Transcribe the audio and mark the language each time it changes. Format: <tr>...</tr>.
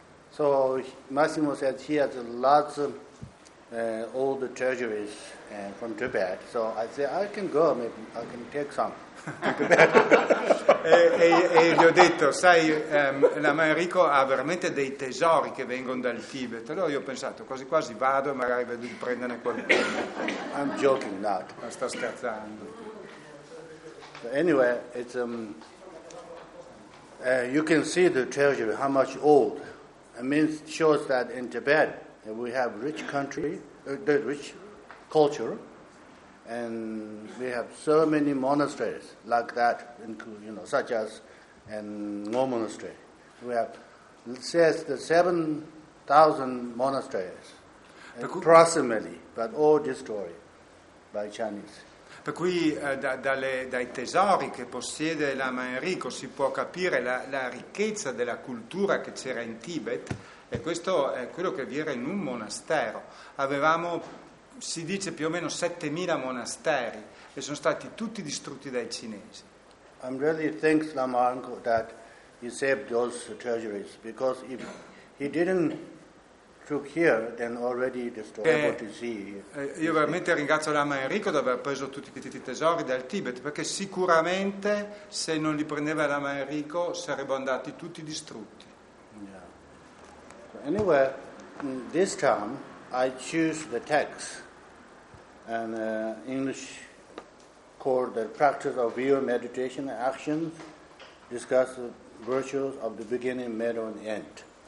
<en>So Massimo said he has lots of old treasuries from Tibet. So I said I can go, maybe I can take some.</en> <it>e gli ho detto sai Lama Enrico ha veramente dei tesori che vengono dal Tibet, allora io ho pensato quasi quasi vado e magari vedo di prenderne qualcuno.</it> <en>I'm joking not.</en> <it>Ma sto scherzando.</it> <en>So anyway it's you can see the treasury how much old it means shows that in Tibet we have rich country the rich culture. And we have so many monasteries like that, you know, such as in Ngo Monastery. We have, it says, the 7,000 monasteries. Approximately, but all destroyed by Chinese.</en> <it>Per cui dai tesori che possiede Lama Enrico si può capire la ricchezza della cultura che c'era in Tibet, e questo è quello che vi era in un monastero. Avevamo, si dice, più o meno 7.000 monasteri e sono stati tutti distrutti dai cinesi.</it> <en>I'm really thanks Lama Enrico that he saved those treasuries, because if he didn't took here, then already destroyed what you see here.</en> <it>Io veramente ringrazio Lama Enrico di aver preso tutti questi tesori dal Tibet, perché sicuramente se non li prendeva Lama Enrico sarebbero andati tutti distrutti.</it> <en>Yeah. So anyway, this time I choose the text, and English called the practice of real meditation and actions, discuss the virtues of the beginning, middle and end.</en>